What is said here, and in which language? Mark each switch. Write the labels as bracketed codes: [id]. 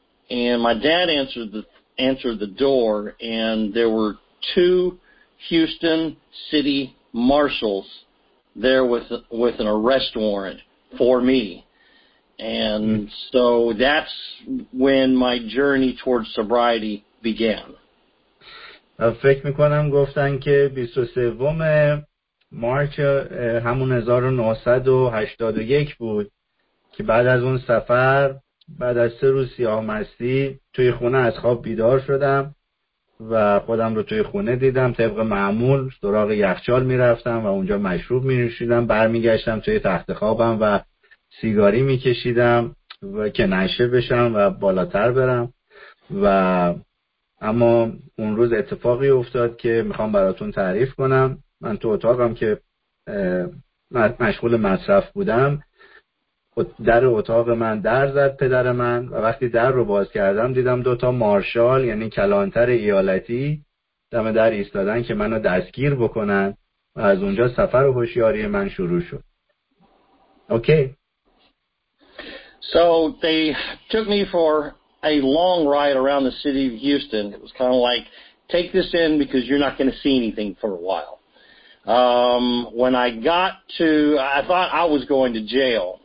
[en] And my dad answered the door, and there were 2 Houston City Marshals there with an arrest warrant for me. And so that's when my journey towards sobriety began. [fa] فکر میکنم گفتن که 23 مارچ همون 1981 بود که بعد از اون سفر، بعد از 3 روز سیاه‌مستی توی خونه از خواب بیدار شدم و خودم رو توی خونه دیدم. طبق معمول سراغ یخچال میرفتم و اونجا مشروب می‌نوشیدم، برمیگشتم توی تخت خوابم و سیگاری می‌کشیدم و که نشه بشم و بالاتر برم. و اما اون روز اتفاقی افتاد که میخوام براتون تعریف کنم. من تو اتاقم که مشغول مصرف بودم، در اتاق من در زد پدر من و وقتی در رو باز کردم دیدم دوتا مارشال، یعنی کلانتر ایالتی، دم در ایستادن که منو دستگیر بکنن و از اونجا سفر و هوشیاری من شروع شد. [en] Okay. So they took me for a long ride around the city of Houston. It was kind of like, take this in because you're not going to see anything for a while. When I got to, I thought I was going to jail.